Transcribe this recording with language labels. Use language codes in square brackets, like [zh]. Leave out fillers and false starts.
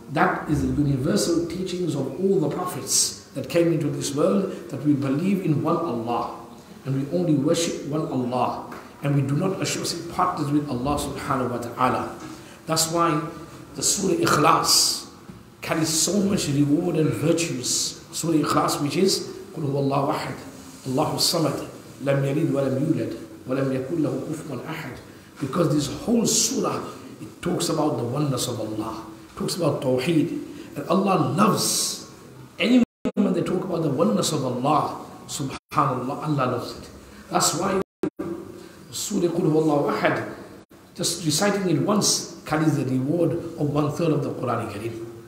[en] That is the universal teachings of all the prophets that came into this world, that we believe in one Allah. And we only worship one Allah. And we do not associate partners with Allah subhanahu wa ta'ala. That's why the Surah Ikhlas carries so much reward and virtues. [ar] Surah Ikhlas, [en] which is [ar] قُلْ هُوَ اللَّهُ وَحَدٌ اللَّهُ الصَّمَدُ لَمْ يَلِدْ وَلَمْ يُولَدْ وَلَمْ يَكُنْ لَهُ كُفُوًا أَحَدٌ. [en] Because this whole surah, it talks about the oneness of Allah. It talks about Tawheed. And Allah loves anyone that talk about the oneness of Allah. Subhanallah, Allah loves it. That's why Surah Qul Huwallahu Ahad, just reciting it once, carries the reward of one third of the Qur'an Kareem.